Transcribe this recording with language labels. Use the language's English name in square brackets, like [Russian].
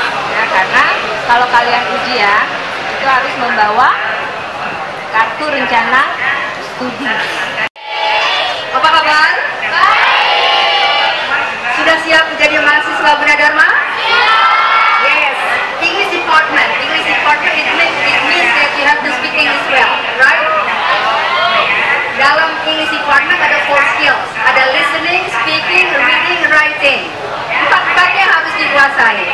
[Indonesian] Ya, karena kalau kalian ujian itu harus membawa kartu rencana studi. Apa kabar? Baik. Sudah siap menjadi mahasiswa Bina Dharma? Iya. [English] Yes. English department. English department it means that you have to speak English well, right? [Indonesian] Dalam English department ada 4 skills. Ada listening, speaking, reading, writing. Empat-empatnya harus dikuasai.